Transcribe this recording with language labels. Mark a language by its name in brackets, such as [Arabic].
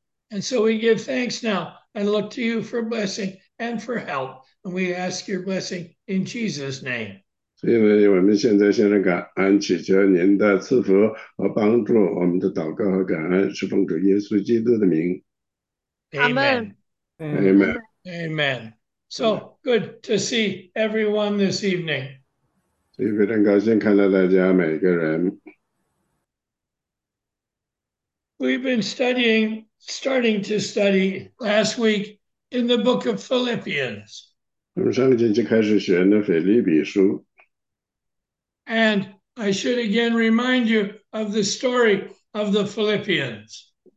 [English] And so we give thanks now and look to you for blessing and for help. And we ask your blessing in Jesus' name. [Chinese] 所以呢，我们现在向神感恩，祈求您的赐福和帮助。我们的祷告和感恩是奉主耶稣基督的名。阿门。 [English] Amen. Amen. So good to see everyone this evening. [Chinese] 所以非常高兴看到大家每个人。 [English] We've been studying, starting to study last week in the book of Philippians. [Chinese] 我们上个星期开始学的腓立比书。 [English] And I should again remind you of the story of the Philippians.